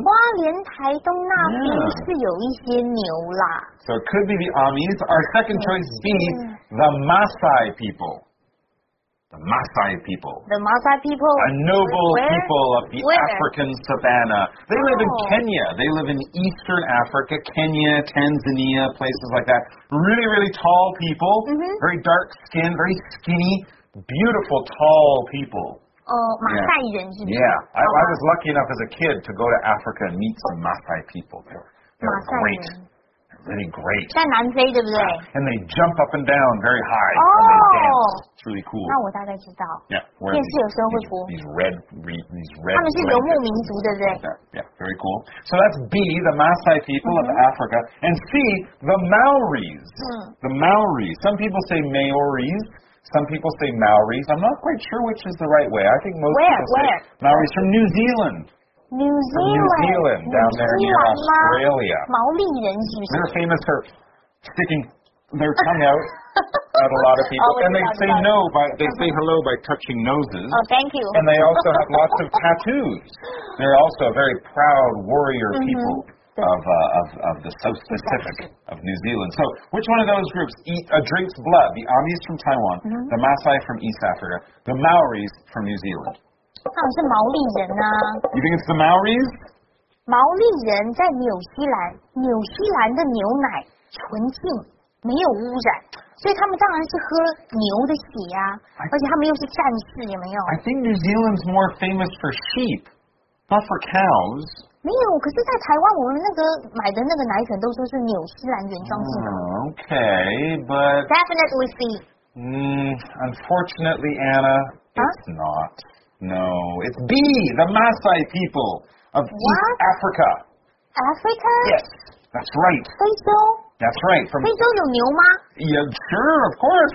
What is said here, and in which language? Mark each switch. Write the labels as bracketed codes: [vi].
[zh] Hualien, Taidong, 那边是有一些牛啦. [en] So it could be the Amis. Our second choice B, the Maasai people. The Maasai people. The Maasai people? A noble people of the Where? African savannah. They live in Kenya. They live in eastern Africa, Kenya, Tanzania, places like that. Really, really tall people. Mm-hmm. Very dark skin, very skinny, beautiful, tall people. [zh] Maasai人, [en] I was lucky enough as a kid to go to Africa and meet some Maasai people. They're great. Really great. [zh] 在南非对不对? [en] And they jump up and down very high. It's really cool. [zh] 那我大概知道. [en] Yeah. [zh] 电视有时候会播. [en] These red. [zh] 他们是游牧民族，对不对? [en] Yeah. Very cool. So that's B, the Maasai people of Africa, and C, the Maoris. The Maoris. Some people say Maoris. Some people say Maoris. I'm not quite sure which is the right way. I think most people say Maoris from New Zealand. New Zealand. New Zealand, down there in Australia. [zh] 毛利人是不是? [en] They're famous for sticking their tongue out at a lot of people. Oh, and they say no, by, they say hello by touching noses. Oh, thank you. And they also have lots of tattoos. They're also a very proud warrior people. Of the South Pacific of New Zealand. So, which one of those groups drinks blood? The Amis from Taiwan, the Maasai from East Africa, the Maoris from New Zealand. [zh] 他们是毛利人啊。 [en] You think it's the Maoris? [zh] 毛利人在纽西兰，纽西兰的牛奶纯净，没有污染，所以他们当然是喝牛的血啊。而且他们又是战士，有没有？ [en] I think New Zealand's more famous for sheep, not for cows. [zh] 没有，可是在台湾我们那个买的那个奶粉都说是纽西兰原装进口。 [en] Okay, but... Definitely see. Unfortunately, Anna, it's not. No, it's B, the Maasai people of East Africa. Africa? Yes, that's right. [zh] 非洲? [en] That's right. [zh] 非洲有牛吗? [en] Yeah, sure, of course.